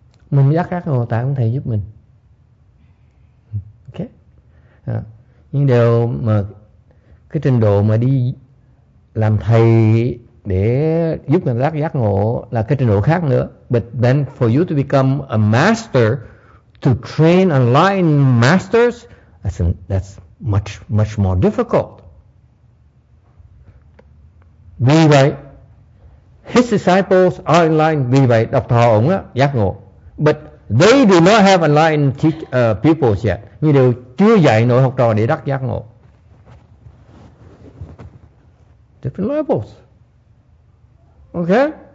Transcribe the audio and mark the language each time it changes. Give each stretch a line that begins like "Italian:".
Vietnamese: Mình giác các ngộ tại ông thầy giúp mình. Okay. À, nhưng điều mà cái trình độ mà đi làm thầy để giúp mình giác ngộ là cái trình độ khác nữa.
English: But then for you to become a master, to train enlightened masters, that's much, much more difficult.
Vietnamese: Vì vậy,
English: his disciples are enlightened.
Vietnamese: Vì vậy, Đọc Thọ ổng á, giác ngộ.
English: But they do not have enlightened pupils yet.
Vietnamese: Như đều chưa dạy nổi học trò để đắc giác ngộ.
English: Different levels. Okay?